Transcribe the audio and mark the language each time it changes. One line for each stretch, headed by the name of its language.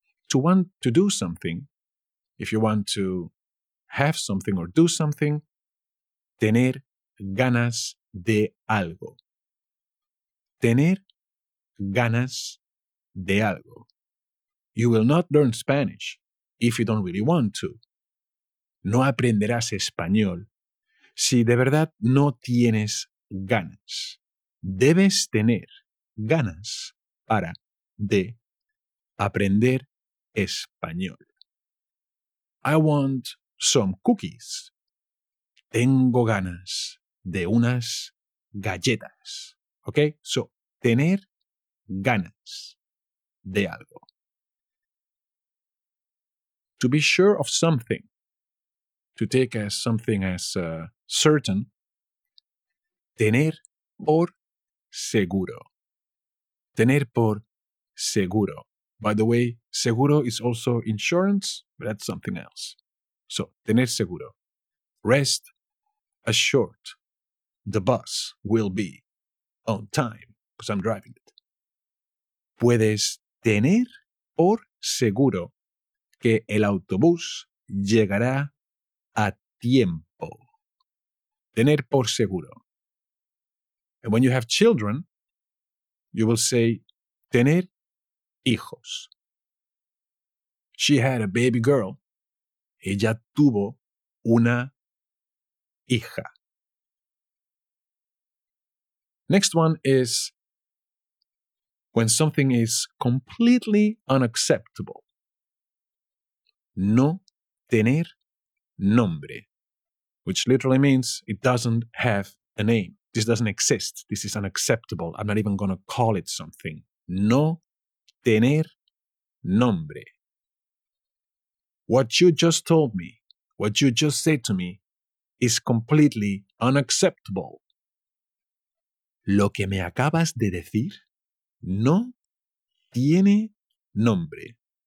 English: To want to do something, if you want to have something or do something,
Spanish: tener ganas de algo. Tener ganas de algo.
English: You will not learn Spanish if you don't really want to.
Spanish: No aprenderás español si de verdad no tienes ganas. Debes tener ganas para de aprender español.
English: I want some cookies.
Spanish: Tengo ganas de unas galletas.
English: Okay?
Spanish: So, tener ganas de algo.
English: To be sure of something, to take as something as certain,
Spanish: tener por seguro. Tener por seguro.
English: By the way, seguro is also insurance, but that's something else. So,
Spanish: tener seguro.
English: Rest assured, the bus will be on time, because I'm driving it.
Spanish: Puedes tener por seguro que el autobús llegará a tiempo. Tener por seguro.
English: And when you have children, you will say,
Spanish: tener hijos.
English: She had a baby girl.
Spanish: Ella tuvo una hija.
English: Next one is when something is completely unacceptable.
Spanish: No tener nombre,
English: which literally means it doesn't have a name. This doesn't exist. This is unacceptable. I'm not even going to call it something.
Spanish: No tener nombre.
English: What you just told me, what you just said to me, is completely unacceptable.
Spanish: Lo que me acabas de decir no tiene nombre.